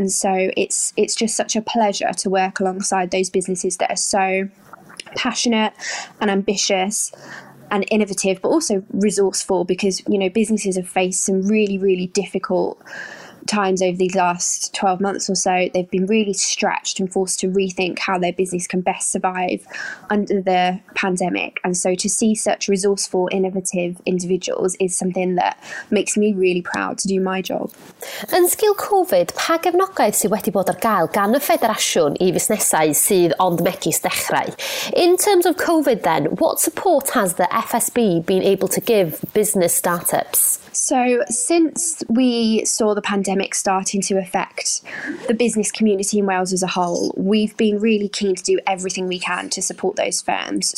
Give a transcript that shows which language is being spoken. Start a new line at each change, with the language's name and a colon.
English: And so it's just such a pleasure to work alongside those businesses that are so passionate and ambitious and innovative, but also resourceful, because, you know, businesses have faced some really, really difficult times over these last 12 months or so. They've been really stretched and forced to rethink how their business can best survive under the pandemic. And so to see such resourceful, innovative individuals is something that makes me really proud to do my job.
Welsh: Yn sgil COVID, pa gefnogaeth sydd wedi bod ar gael gan y Ffederasiwn I fusnesau sydd ond megis dechrau?
English: In terms of COVID then, what support has the FSB been able to give business startups? So since we saw the pandemic starting to affect the business community in Wales as a whole, we've been really keen to do everything we can to support those firms.